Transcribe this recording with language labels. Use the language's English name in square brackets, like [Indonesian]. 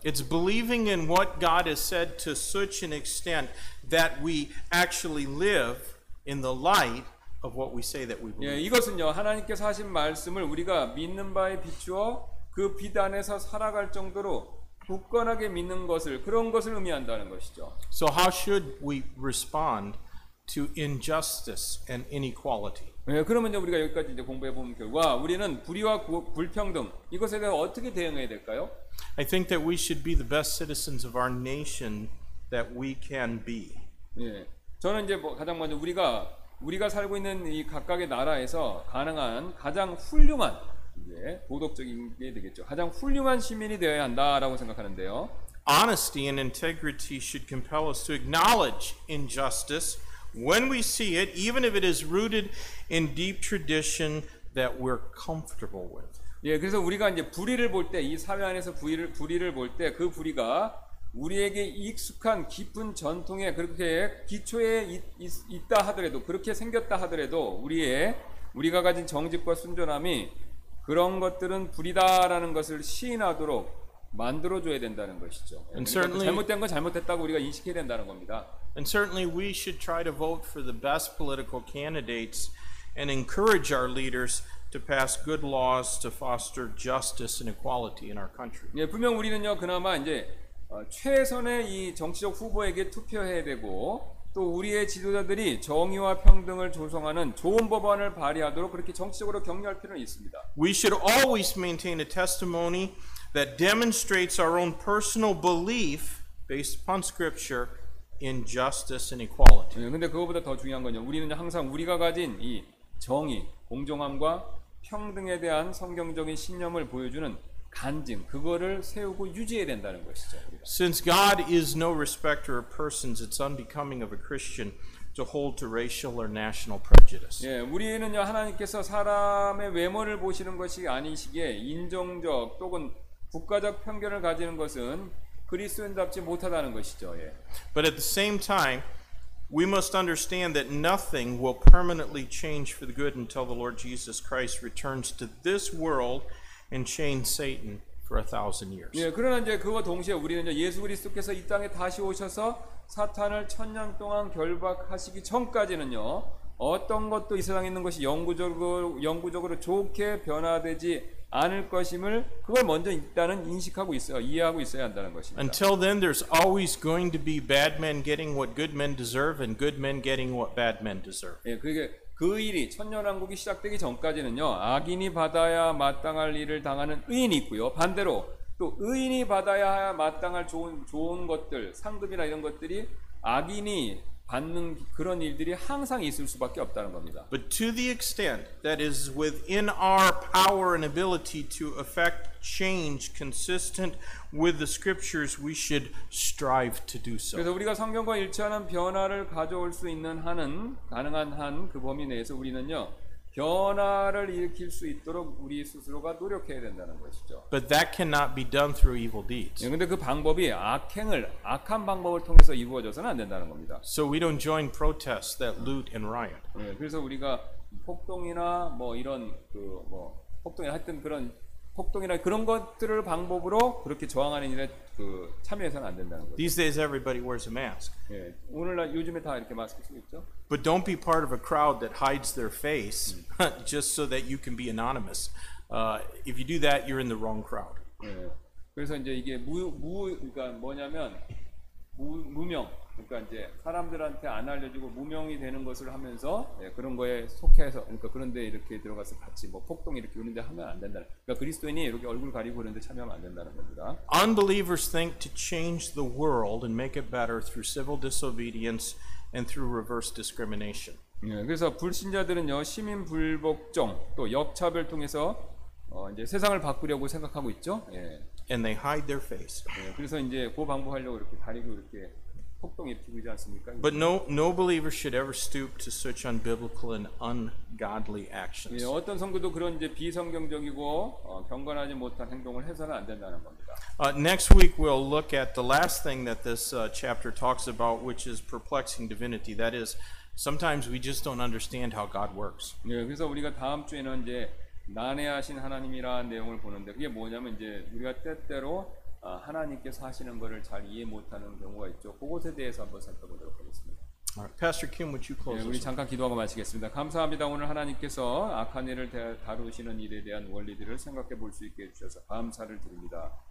[English] It's believing in what God has said to such an extent that we actually live in the light of what we say that we believe. [Korean] 예, 이것은요 하나님께서 하신 말씀을 우리가 믿는 바에 비추어 그 빛 안에서 살아갈 정도로 굳건하게 믿는 것을 그런 것을 의미한다는 것이죠. [English] So how should we respond to injustice and inequality? [Korean] 예, 그러면 우리가 여기까지 이제 공부해 본 결과 우리는 불의와 불평등 이것에 대해 어떻게 대응해야 될까요? [English] I think that we should be the best citizens of our nation that we can be. [Korean] 예, 저는 이제 뭐 가장 먼저 우리가 살고 있는 이 각각의 나라에서 가능한 가장 훌륭한 이제 도덕적인 게 되겠죠. 가장 훌륭한 시민이 되어야 한다라고 생각하는데요. [English] Honesty and integrity should compel us to acknowledge injustice when we see it, even if it is rooted in deep tradition that we're comfortable with. [Korean] 예, 그래서 우리가 이제 불의를 볼 때 이 사회 안에서 불의를 볼 때 그 불의가 우리에게 익숙한 깊은 전통에 그렇게 기초에 있다 하더라도 그렇게 생겼다 하더라도 우리가 가진 정직과 순전함이 그런 것들은 불이다라는 것을 시인하도록 만들어 줘야 된다는 것이죠. [English] And certainly, [Korean] 잘못된 건 잘못했다고 우리가 인식해야 된다는 겁니다. [English] And certainly we should try to vote for the best political candidates and encourage our leaders to pass good laws to foster justice and equality in our country. [Korean] 예, 분명 우리는요 그나마 이제 최선의 이 정치적 후보에게 투표해야 되고 또 우리의 지도자들이 정의와 평등을 조성하는 좋은 법안을 발의하도록 그렇게 정치적으로 격려할 필요는 있습니다. [English] We should always maintain a testimony that demonstrates our own personal belief based upon scripture in justice and equality. [Korean] 네, 근데 그거보다 더 중요한 건요. 우리는 항상 우리가 가진 이 정의, 공정함과 평등에 대한 성경적인 신념을 보여주는 간증 그거를 세우고 유지해야 된다는 것이죠. 우리가. [English] Since God is no respecter of persons, it's unbecoming of a Christian to hold to racial or national prejudice. [Korean] 예, 우리는요 하나님께서 사람의 외모를 보시는 것이 아니시기에 인종적 또는 국가적 편견을 가지는 것은 그리스도인답지 못하다는 것이죠. 예. [English] But at the same time, we must understand that nothing will permanently change for the good until the Lord Jesus Christ returns to this world and chain Satan for 1,000 years. [Korean] 예, 그러나 이제 그와 동시에 우리는 이제 예수 그리스도께서 이 땅에 다시 오셔서 사탄을 천년 동안 결박하시기 전까지는요 어떤 것도 이 세상에 있는 것이 영구적으로 좋게 변화되지 않을 것임을 그걸 먼저 일단은 인식하고 있어 이해하고 있어야 한다는 것입니다. [English] Until then, there's always going to be bad men getting what good men deserve, and good men getting what bad men deserve. [Korean] 예, 그게 그 일이 천년왕국이 시작되기 전까지는요, 악인이 받아야 마땅할 일을 당하는 의인이 있고요, 반대로 또 의인이 받아야 마땅할 좋은 것들, 상급이나 이런 것들이 악인이 받는 그런 일들이 항상 있을 수밖에 없다는 겁니다. [English] But to the extent that is within our power and ability to affect change consistent with the scriptures, we should strive to do so. [Korean] 그래서 우리가 성경과 일치하는 변화를 가져올 수 있는 한은 가능한 한 그 범위 내에서 우리는요 변화를 일으킬 수 있도록 우리 스스로가 노력해야 된다는 것이죠. [English] But that cannot be done through evil deeds. [Korean] 그런데 그 방법이 악한 방법을 통해서 이루어져서는 안 된다는 겁니다. [English] So we don't join protests that loot and riot. [Korean] 그래서 우리가 폭동이나 뭐 이런 그 뭐 폭동이나 하여튼 그런 폭동이나 그런 것들을 방법으로 그렇게 저항하는 일에 그 참여해서는 안 된다는 거죠. [English] These days everybody wears a mask. [Korean] 예, 오늘날 요즘에 다 이렇게 마스크 쓰고 있죠. [English] But don't be part of a crowd that hides their face just so that you can be anonymous. If you do that, you're in the wrong crowd. [Korean] 예, 그래서 이제 이게 그러니까 뭐냐면 무명. 그러니까 이제 사람들한테 안 알려주고 무명이 되는 것을 하면서 예, 그런 거에 속해서 그러니까 그런데 이렇게 들어가서 같이 뭐 폭동 이렇게 오는데 하면 안 된다. 그러니까 그리스도인이 이렇게 얼굴 가리고 그런데 참여하면 안 된다는 겁니다. [English] Unbelievers think to change the world and make it better through civil disobedience and through reverse discrimination. [Korean] 예, 그래서 불신자들은요 시민 불복종 또 역차별 통해서 이제 세상을 바꾸려고 생각하고 있죠. 예. [English] And they hide their face. [Korean] 예, 그래서 이제 그 방법하려고 이렇게 가리고 이렇게. [English] But no believer should ever stoop to such unbiblical and ungodly actions. [Korean] 예, 어떤 성도도 그런 이제 비성경적이고 경건하지 못한 행동을 해서는 안 된다는 겁니다. [English] Next week we'll look at the last thing that this chapter talks about, which is perplexing divinity. That is, sometimes we just don't understand how God works. [Korean] 예, 그래서 우리가 다음 주에는 이제 난해하신 하나님이라는 내용을 보는데 그게 뭐냐면 이제 우리가 때때로 하나님께서 하시는 것을 잘 이해 못하는 경우가 있죠. 그것에 대해서 한번 살펴보도록 하겠습니다. [English] Alright, Pastor Kim, would you close? [Korean] 네, 우리 잠깐 기도하고 마치겠습니다. 감사합니다. 오늘 하나님께서 악한 일을 다루시는 일에 대한 원리들을 생각해 볼 수 있게 해주셔서 감사를 드립니다.